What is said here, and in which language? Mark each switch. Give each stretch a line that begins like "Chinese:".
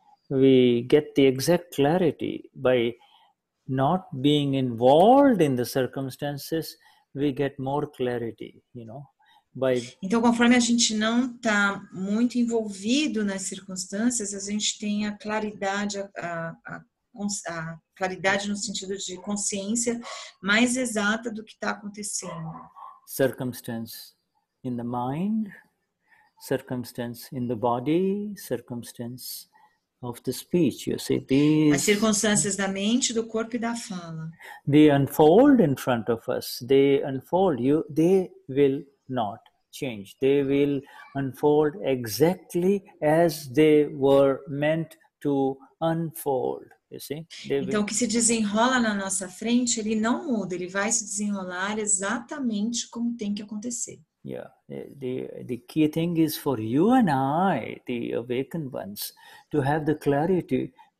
English: We get the exact clarity by not being involved in the circumstances, we get more clarity, you know.
Portuguese: Então, conforme a gente não está muito envolvido nas circunstâncias, a gente tem a claridade no sentido de consciência mais exata do que está acontecendo.
English: Circumstance in the mind, circumstance in the body, circumstance of the speech, you see, these,
Portuguese: as circunstâncias da mente, do corpo e da fala.
English: They unfold in front of us. They unfold. They will not change. They will unfold exactly as they were meant to unfold, you see.
Portuguese: Então, o que se desenrola na nossa frente, ele não muda. Ele vai se desenrolar exatamente como tem que acontecer.
English: Yeah, the key thing is for you and I, the awakened ones, to have the clarity